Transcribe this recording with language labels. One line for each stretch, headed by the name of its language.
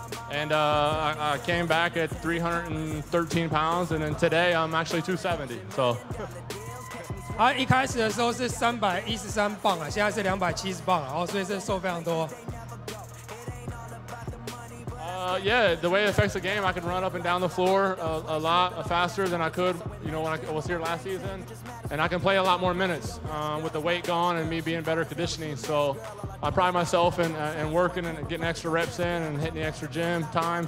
English: And I came back at 313 pounds, and then today I'm actually 270. So.
Chinese: 啊，一开始的时候是313磅啊，现在是270磅啊，哦，所以这瘦非常多。
English: Yeah, the way it affects the game, I can run up and down the floor a lot faster than I could, you know, when I was here last season. And I can play a lot more minutes with the weight gone and me being better conditioning. So I pride myself in working and getting extra reps in and hitting the extra gym time.